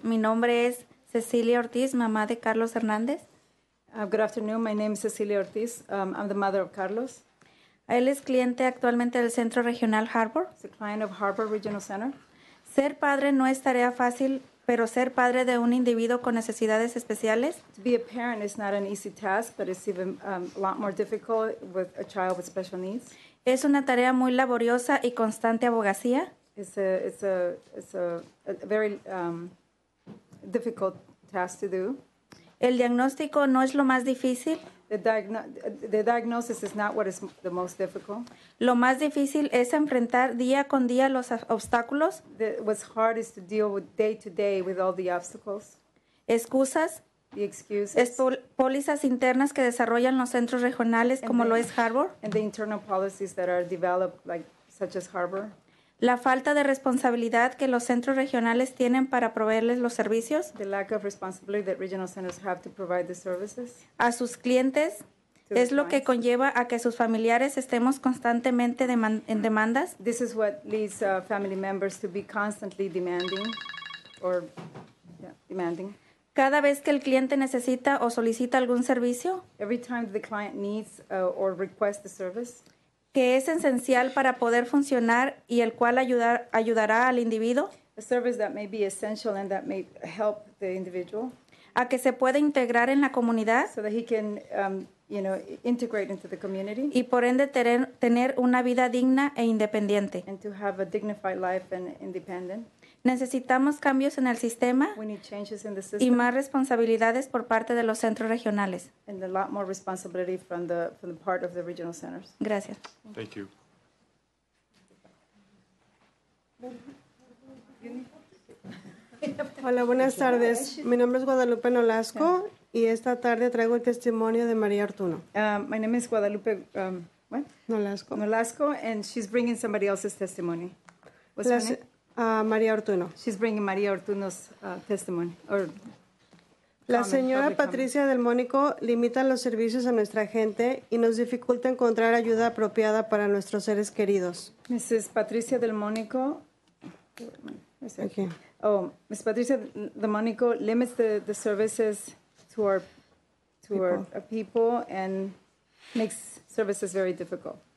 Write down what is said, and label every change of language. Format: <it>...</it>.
<es>Mi nombre es Cecilia Ortiz, mamá de Carlos Hernández.</es> <en>Good afternoon. My name is Cecilia Ortiz. I'm the mother of Carlos.</en> <es>Él es cliente actualmente del Centro Regional Harbor.</es> <en>He's a client of Harbor Regional Center.</en> <es>Ser padre no es tarea fácil, pero ser padre de un individuo con necesidades especiales.</es> <en>To be a parent is not an easy task, but it's even a lot more difficult with a child with special needs.</en> <es>Es una tarea muy laboriosa y constante abogacía.</es> <en>It's a very difficult task to do.</en> <es>El diagnóstico no es lo más difícil.</es> <en>The diagnosis is not what is the most difficult.</en> <es>Lo más difícil es enfrentar día con día los obstáculos.</es> <en>What's hard is to deal with day to day with all the obstacles.</en> <es>Excusas.</es> <en>The excuses.</en> <es>Pólizas internas que desarrollan los centros regionales como lo es Harbor.</es> <en>And the internal policies that are developed, like such as Harbor.</en> <es>La falta de responsabilidad que los centros regionales tienen para proveerles los servicios.</es> <en>The lack of responsibility that regional centers have to provide the services.</en> <es>A sus clientes es lo que conlleva a que sus familiares estemos constantemente en demandas.</es> <en>This is what leads family members to be constantly demanding or demanding.</en> <es>Cada vez que el cliente necesita o solicita algún servicio.</es> <en>Every time the client needs or requests a service.</en> <es>Que es esencial para poder funcionar y el cual ayudará al individuo.</es> <en>A service that may be essential and that may help the individual.</en> <es>A que se pueda integrar en la comunidad.</es> <en>So that he can, integrate into the community.</en> <es>Y por ende tener una vida digna e independiente.</es> <en>And to have a dignified life and independent.</en> <es>Necesitamos cambios en el sistema.</es> <en>We need changes in the system.</en> <es>Y más responsabilidades por parte de los centros regionales.</es> <en>And a lot more responsibility from the part of the regional centers.</en> <es>Gracias.</es> <en>Thank you.</en> <es>Hola, buenas tardes. Mi nombre es Guadalupe Nolasco y esta tarde traigo el testimonio de María Artuno.</es> <en>My name is Guadalupe Nolasco. Nolasco, and she's bringing somebody else's testimony. What's her name? María Artuno. She's bringing María Artuno's testimony.</en> <es>La señora Patricia del Mónico limita los servicios a nuestra gente y nos dificulta encontrar ayuda apropiada para nuestros seres queridos.</es> <en>Mrs. Patricia del Mónico. Okay. Mrs. Patricia del Mónico limits the services to our people and makes services very difficult.</en>